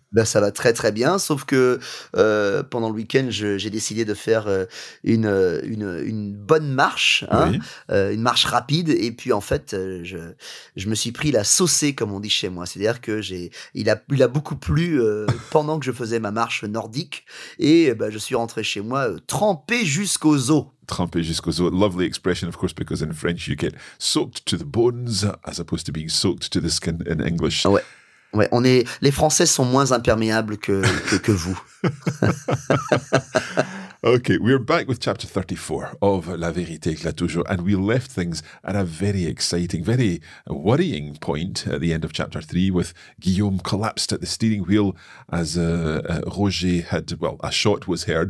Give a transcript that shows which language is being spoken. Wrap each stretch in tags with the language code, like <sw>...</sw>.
<fr>Ben ça va très très bien, sauf que pendant le week-end j'ai décidé de faire une bonne marche, hein, oui. Une marche rapide, et puis en fait je me suis pris la saucée comme on dit chez moi, c'est-à-dire que il a beaucoup plu pendant que je faisais ma marche nordique, et ben, je suis rentré chez moi trempé jusqu'aux os. Trempé jusqu'aux os,</fr> <en>lovely expression of course, because in French you get soaked to the bones as opposed to being soaked to the skin in English.</en> <fr>Ouais. Ouais, les Français sont moins imperméables que vous.</fr> <en>Okay, we're back with chapter 34 of La Vérité éclate toujours, and we left things at a very exciting, very worrying point at the end of chapter 3 with Guillaume collapsed at the steering wheel as Roger had, well, a shot was heard.</en>